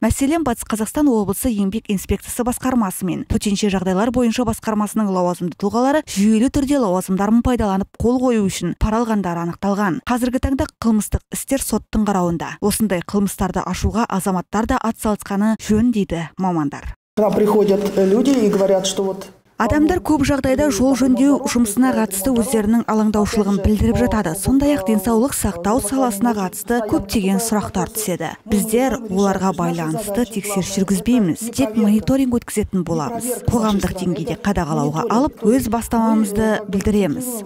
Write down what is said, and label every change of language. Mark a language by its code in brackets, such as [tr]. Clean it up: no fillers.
[kk] Мәселен, Батыс Қазақстан облысы еңбек инспекциясы басқармасы мен төтенше жағдайлар бойынша басқармасының лауазымды тұлғалары жүйелі түрде лауазымдарын пайдаланып қол қою үшін пара алғандары анықталған. Қазіргі таңда қылмыстық істер соттың қарауында. Осындай қылмыстарды ашуға азаматтар да атсалысқаны жөн, дейді мамандар. [ru] Приходят люди и говорят, что вот [kk] адамдар көп жағдайда жол жөндеу жұмысына қатысты өздерінің алаңдаушылығын білдіріп жатады. Сондай-ақ денсаулық сақтау саласына қатысты көптеген сұрақтар түседі. Біздер оларға байланысты тексеріс жүргізбейміз, тек мониторинг өткізетін боламыз. Қоғамдық деңгейде қадағалауға алып, өз бастамамызды білдіреміз.